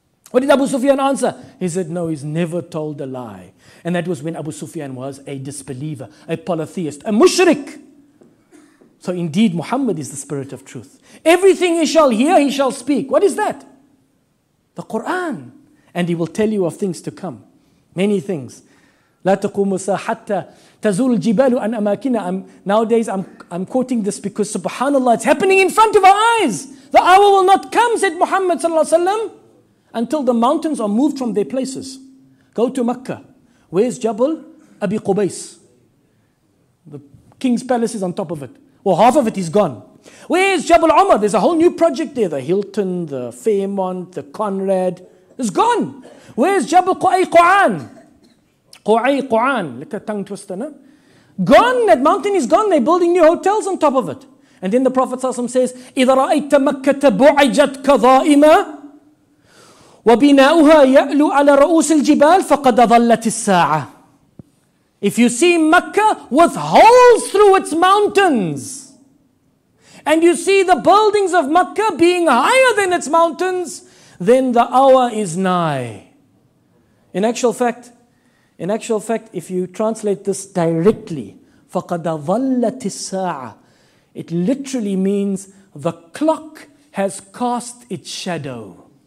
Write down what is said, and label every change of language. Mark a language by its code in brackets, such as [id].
[en] What did Abu Sufyan answer? He said, no, he's never told a lie. And that was when Abu Sufyan was a disbeliever, a polytheist, a mushrik. So indeed, Muhammad is the Spirit of truth. Everything he shall hear, he shall speak. What is that? The Quran. And he will tell you of things to come. Many things. [ar] لا تقوم الساعة حتى تزول الجبال عن أماكنها. [en] Nowadays, I'm quoting this because subhanAllah, it's happening in front of our eyes. The hour will not come, said Muhammad sallallahu alaihi wasallam, until the mountains are moved from their places. Go to Mecca. Where's Jabal? Abi Qubais. The king's palace is on top of it. Well, half of it is gone. Where's Jabal Umar? There's a whole new project there. The Hilton, the Fairmont, the Conrad. It's gone. Where's Jabal Qu'ay Qu'an? Qu'ay Qu'an. Look at tongue twister, no? Gone, that mountain is gone. They're building new hotels on top of it. And then the Prophet ﷺ says, [ar] إِذَا رَأَيْتَ مَكَّةَ بُعِجَتْ كَظَائِمًا وَبِنَاؤُهَا يَأْلُوا عَلَى رَؤُوسِ الْجِبَالِ فَقَدْ أَظَلَّتِ السَّاعَةِ. [en] If you see Mecca with holes through its mountains, and you see the buildings of Mecca being higher than its mountains, then the hour is nigh. In actual fact, if you translate this directly, [ar] فَقَدْ أَظَلَّتِ السَّاعَةِ, [en] it literally means the clock has cast its shadow.